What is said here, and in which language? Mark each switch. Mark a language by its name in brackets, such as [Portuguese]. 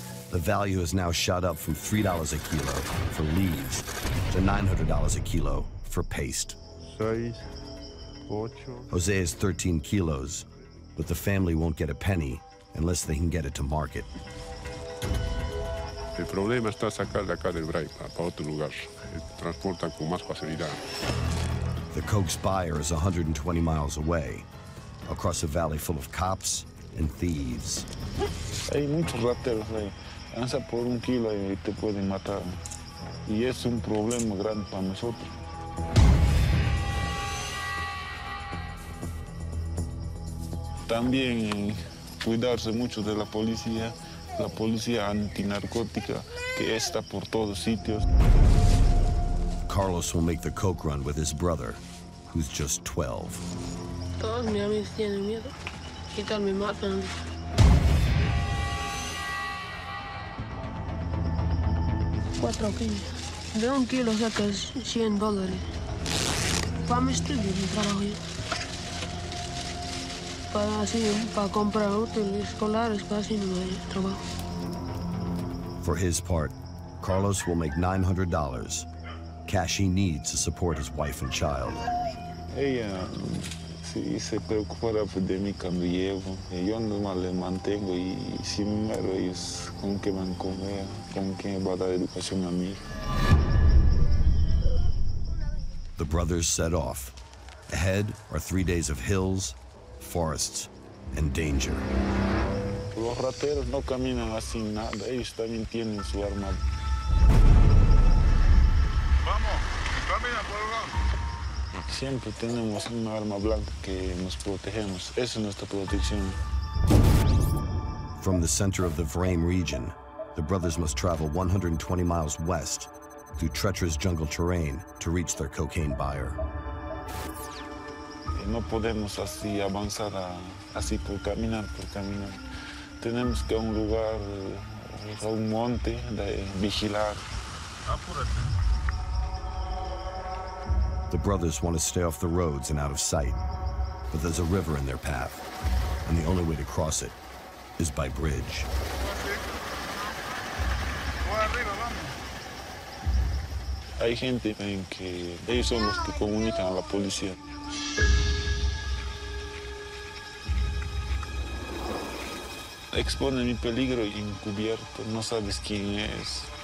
[English] The value has now shot up from $3 a kilo for leaves to $900 a kilo for paste. Jose is 13 kilos, but the family won't get a penny unless they can get it to market. [Spanish] El problema está sacar de acá del Bray para otro lugar. Transportan con más facilidad. [English] The coke's buyer is 120 miles away, across a valley full of cops and thieves. [Spanish] Hay muchos rateros ahí. Anza por un kilo y te pueden matar. Y es un problema grande para nosotros. También cuidarse mucho de la policía antinarcótica que está por todos sitios. [English] Carlos will make the coke run with his brother, who's just 12. [Spanish] Todos mis amigos tienen miedo. ¿Qué tal me matan? Cuatro kilos. De un kilo sacas $100. Para mi estudio, mi trabajo. Para así, para comprar útiles escolares, para así no hay trabajo. [English] For his part, Carlos will make $900. Cash he needs to support his wife and child. [Spanish] Ella se preocupará de mí cuando llevo. Yo no más le mantengo y si me muero, ellos con qué van a comer, con quién va a dar educación a mí. [English] The brothers set off. Ahead are 3 days of hills forests and danger. [Spanish] Los rateros no caminan así nada. Ellos también tienen su arma. Vamos, camina por el lado. Siempre tenemos una arma blanca que nos protegemos. Esa es nuestra protección. [English] From the center of the Frame region, the brothers must travel 120 miles west through treacherous jungle terrain to reach their cocaine buyer. [Spanish] No podemos así avanzar así por caminar. Tenemos que a un lugar, a un monte, de vigilar. Apúrate. [English] The brothers want to stay off the roads and out of sight, but there's a river in their path, and the only way to cross it is by bridge. [Spanish] Hay gente en que ellos son los que comunican a la policía. Expone mi peligro encubierto, no sabes quién es.